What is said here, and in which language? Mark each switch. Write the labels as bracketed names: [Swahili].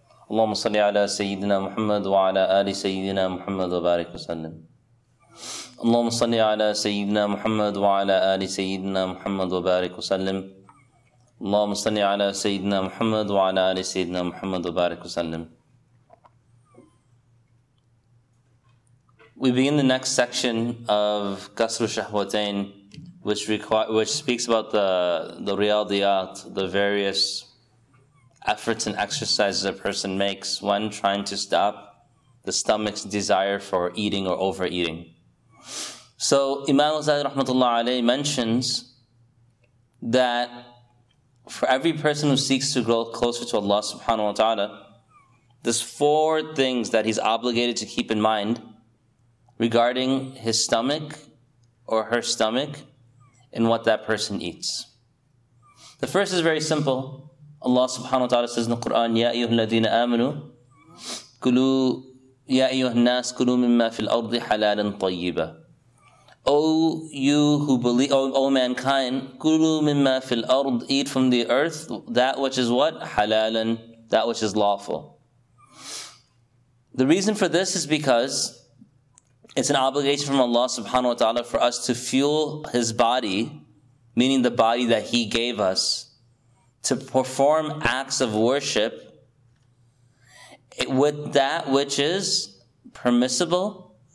[Arabic] اللهم صل على سيدنا محمد وعلى آل سيدنا محمد وبارك وسلم. اللهم صل على سيدنا محمد وعلى آل سيدنا محمد وبارك وسلم. اللهم صل على سيدنا محمد وعلى آل سيدنا محمد وبارك وسلم. [English] We begin the next section of قصر الشهوتين, which speaks about the riyadiyat, the various efforts and exercises a person makes when trying to stop the stomach's desire for eating or overeating. So Imam Al-Zahid rahmatullah alayhi mentions that for every person who seeks to grow closer to Allah subhanahu wa ta'ala, there's four things that he's obligated to keep in mind regarding his stomach or her stomach and what that person eats. The first is very simple. Allah subhanahu wa ta'ala says in the Quran, [Arabic] يَا أَيُّهَا الَّذِينَ آمَنُوا كُلُوا يَا أَيُّهَا النَّاسِ كُلُوا مِمَّا فِي الْأَرْضِ حَلَالًا طَيِّبًا. [English] O you who believe, O mankind, [Arabic] كُلُوا مِمَّا فِي الْأَرْضِ, [English] eat from the earth that which is what? حَلَالًا, that which is lawful. The reason for this is because it's an obligation from Allah subhanahu wa ta'ala for us to fuel His body, meaning the body that He gave us, to perform acts of worship with that which is permissible.